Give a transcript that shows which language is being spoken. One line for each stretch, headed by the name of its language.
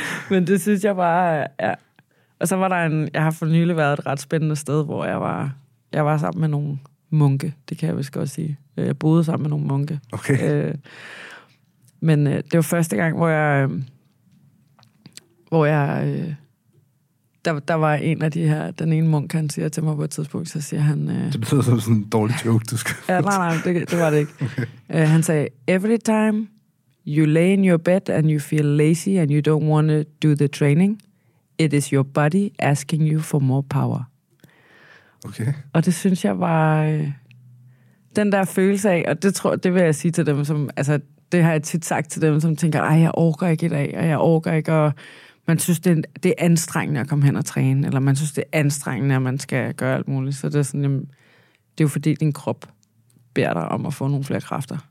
Danish: Men det synes jeg bare, ja. Og så var der jeg har for nylig været et ret spændende sted, hvor jeg var sammen med nogle munke, det kan jeg vist godt sige. Jeg boede sammen med nogle munke. Okay. Men det var første gang, hvor der var en af de her, den ene munk, han siger til mig på et tidspunkt, så siger han... Det betyder som sådan en dårlig joke, du skal... Ja, nej, det var det ikke. Okay. Han sagde,
English: every time you lay in your bed and you feel lazy and you don't want to do the training, it is your body asking you for more power. Okay.
Danish: Og det synes jeg var... den der følelse af, og det vil jeg sige til dem, som... Altså, det har jeg tit sagt til dem, som tænker, ej, jeg orker ikke i dag, og jeg orker ikke, og man synes, det er anstrengende at komme hen og træne, eller man synes, det er anstrengende, at man skal gøre alt muligt. Så det er sådan, jamen, det er jo fordi, din krop beder dig om at få nogle flere kræfter.